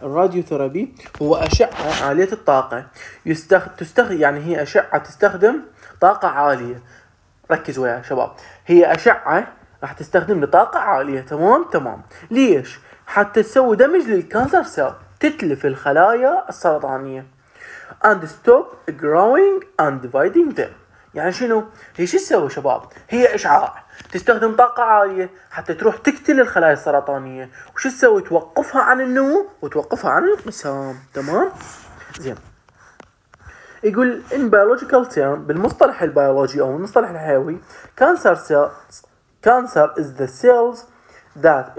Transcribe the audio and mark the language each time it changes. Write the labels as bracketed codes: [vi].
[ar] الراديو ثيرابي هو اشعة عالية الطاقة، تستخدم يعني هي اشعة تستخدم طاقة عالية. ركزوا يا شباب، هي اشعة راح تستخدم لطاقة عالية، تمام تمام، ليش؟ حتى تسوي دمج للكانسر سيل، تتلف الخلايا السرطانية. [en] And stop growing and dividing them. [ar] يعني شنو؟ هي شو تسوي شباب؟ هي إشعاع، تستخدم طاقة عالية حتى تروح تقتل الخلايا السرطانية. وش تسوي؟ توقفها عن النمو وتوقفها عن الانقسام، تمام؟ زين. يقول [en] in biological term، [ar] بالمصطلح البيولوجي أو المصطلح الحيوي، [en] cancer cells، cancer is the cells [ar] ذات.